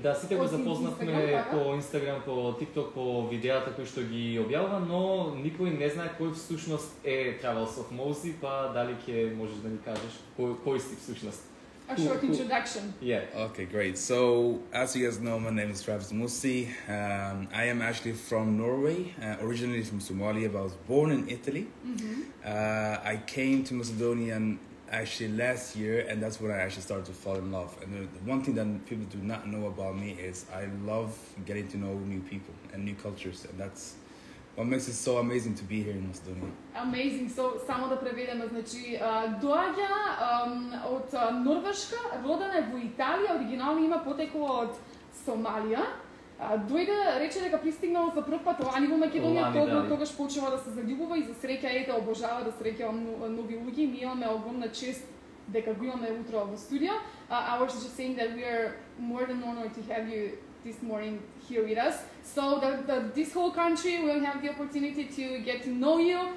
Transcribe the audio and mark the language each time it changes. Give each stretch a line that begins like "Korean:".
Macedonian: Да, сите го запознавме по Инстаграм, по ТикТок, по видеата кои што ги објавува, но никој не знае кој всушност е Travels of Mozili, па дали ќе можеш да ни кажеш кој си всушност?
English: A short introduction. Yeah. Okay, great. So, as you guys know, my name is Travis Musi. I am actually from Norway, originally from Somalia, but I was born in Italy. Mm-hmm. I came to Macedonia actually last year, and that's when I actually started to fall in love. And the one thing that people do not know about me is I love getting to know new people and new cultures, and that's what makes it so amazing to be here in Macedonia. Amazing.
Macedonian: So, само да преведеме, значи, доаѓа од Норвешка, роден е во Италија, оригинално има потекло од Сомалија. Дојде, рече дека пристигнал за прв пат лани во Македонија, тогаш почнува да се заљубува и за среќа, ете, обожава да среќава нови луѓе. Ние имаме огромна чест дека го имаме утро во студио.
English: I was just saying that we are more than honored to have you this morning here with us. So this whole country will have the opportunity to get to know you.